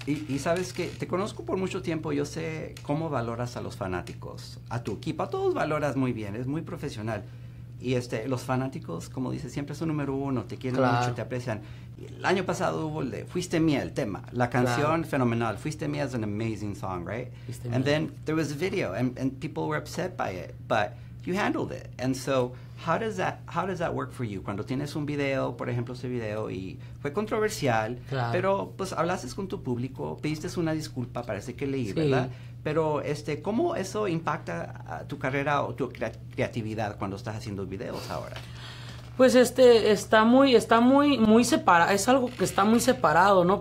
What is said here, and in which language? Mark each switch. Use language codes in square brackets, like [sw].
[es] Y sabes que te conozco por mucho tiempo, yo sé cómo valoras a los fanáticos, a tu equipo, a todos valoras muy bien, es muy profesional. Y los fanáticos, como dices, siempre son número uno, te quieren claro. mucho, te aprecian. El año pasado hubo el de Fuiste Mía, el tema. La canción, claro. fenomenal. Fuiste Mía es [en] an amazing song, right? [es] Fuiste and mía. [en] Then there was a video, and people were upset by it, but you handled it. And so, how does that work for you? [es] Cuando tienes un video, por ejemplo, ese video, y fue controversial, claro. pero pues hablaste con tu público, pediste una disculpa, parece que leí, sí. ¿verdad? Pero, ¿cómo eso impacta a tu carrera o tu creatividad cuando estás haciendo videos ahora? Pues está muy separado, es algo que está muy separado, ¿no?